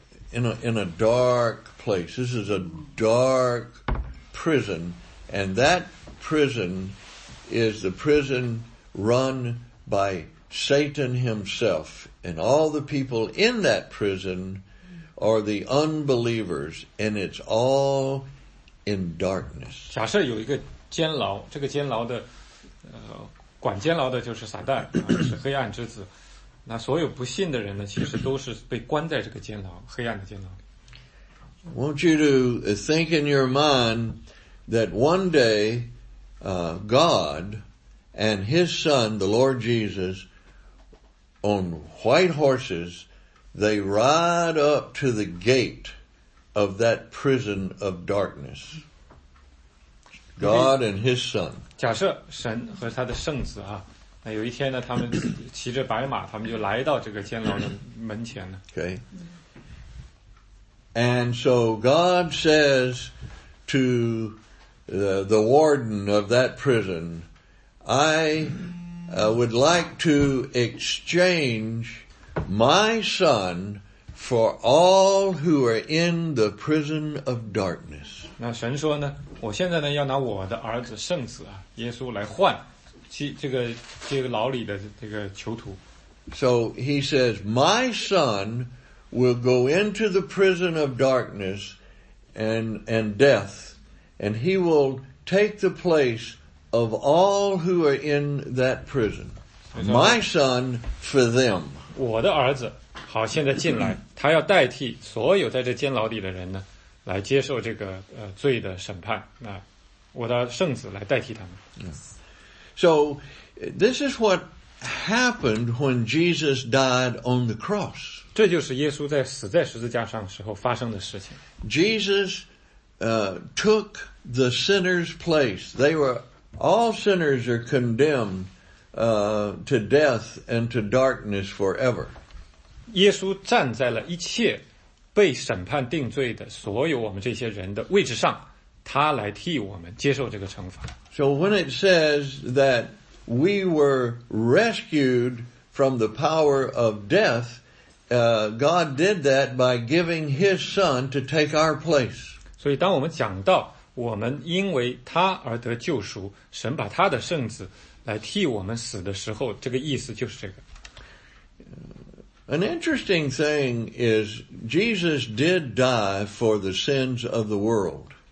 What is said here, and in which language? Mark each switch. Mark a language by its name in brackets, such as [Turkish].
[English] In a dark place. This is a dark prison, and that prison is the prison run by Satan himself, and all the people in that prison are the unbelievers, and it's all in darkness. [Chinese] 假设有一个监牢，这个监牢的管监牢的就是撒旦，是黑暗之子。那所有不信的人呢，其实都是被关在这个监牢，黑暗的监牢里。 [English] Want you to think in your mind that one day, God and His Son, the Lord Jesus, on white horses, they ride up to the gate of that prison of darkness. God and His Son. [Chinese] 假设神和他的圣子啊，那有一天呢，他们骑着白马，他们就来到这个监牢的门前了。 [English] Okay. And so God says to the warden of that prison, I would like to exchange my son for all who are in the prison of darkness. [Chinese] 那神说呢，我现在呢要拿我的儿子圣子啊，耶稣来换这个牢里的这个囚徒。 [English] So he says, my son will go into the prison of darkness and death, and he will take the place of all who are in that prison. My son for them. [Chinese] 我的儿子好现在进来，他要代替所有在这监牢里的人呢，来接受这个罪的审判。那我的圣子来代替他们。 [English] So this is what happened when Jesus died on the cross. [Chinese] 这就是耶稣在死在十字架上时候发生的事情。 [English] Jesus took the sinner's place. They were all sinners are condemned to death and to darkness forever. [Chinese] 耶稣站在了一切被审判定罪的所有我们这些人的位置上，他来替我们接受这个惩罚。 [English] So when it says that we were rescued from the power of death, God did that by giving His Son to take our place. [Chinese] 所以当我们讲到我们因为他而得救赎，神把他的圣子来替我们死的时候，这个意思就是这个。 [English] An interesting thing is Jesus did die for the sins of the world.